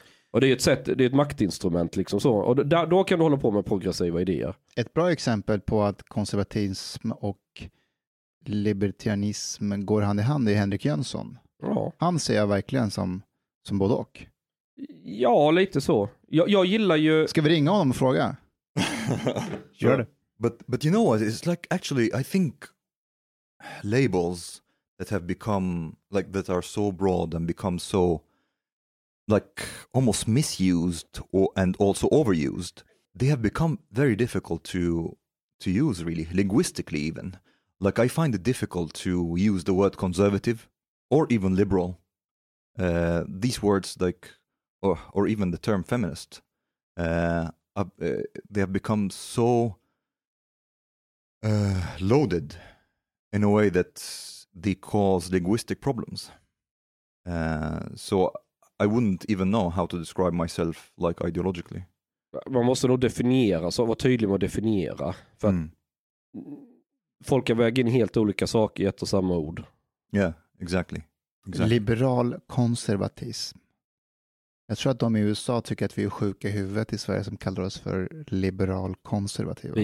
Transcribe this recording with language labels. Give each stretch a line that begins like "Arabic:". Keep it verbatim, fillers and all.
Swedish: Och det är ett sätt, det är ett maktinstrument liksom så. Och då, då kan du hålla på med progressiva idéer. Ett bra exempel på att konservatism och libertarianism går hand i hand är Henrik Jönsson. Ja. Han ser jag verkligen som, som både och. Ja, lite så. Jag, jag gillar ju... Ska vi ringa honom och fråga? Gör det.
English: But, but you know what, it's like actually I think labels that have become, like that are so broad and become so... like almost misused or, and also overused, they have become very difficult to to use really, linguistically even. Like I find it difficult to use the word conservative or even liberal uh, these words, like, or, or even the term feminist, uh, uh, they have become so uh, loaded in a way that they cause linguistic problems. Uh, so I wouldn't even know how to describe myself, like, ideologically.
Swedish: Man måste nog definiera, så vara tydlig med att definiera. För mm. att folk har vägt in helt olika saker i ett och samma ord. Ja,
English: yeah, exactly. exactly.
Swedish: Liberal konservatism. Jag tror att de i U S A tycker att vi är sjuka i huvudet i Sverige som kallar oss för liberal konservativa.